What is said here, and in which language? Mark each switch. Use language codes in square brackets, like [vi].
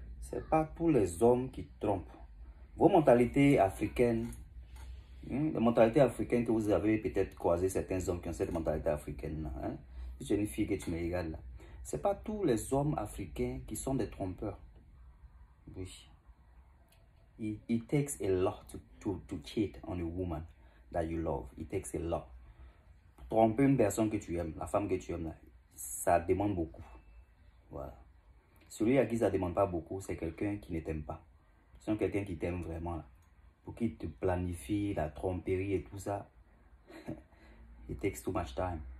[fr] Ce n'est pas tous les hommes qui trompent. Vos mentalités africaines, les mentalités africaines que vous avez peut-être croisé certains hommes qui ont cette mentalité africaine-là. Hein? Si j'ai une fille que tu me regardes là. Ce n'est pas tous les hommes africains qui sont des trompeurs. Oui. [en] It takes a lot to cheat on a woman that you love. It takes a lot. [fr] Tromper une personne que tu aimes, la femme que tu aimes, là, ça demande beaucoup. Voilà. Celui à qui ça ne demande pas beaucoup, c'est quelqu'un qui ne t'aime pas. C'est quelqu'un qui t'aime vraiment. Là. Pour qu'il te planifie la tromperie et tout ça, [en] it takes too much time.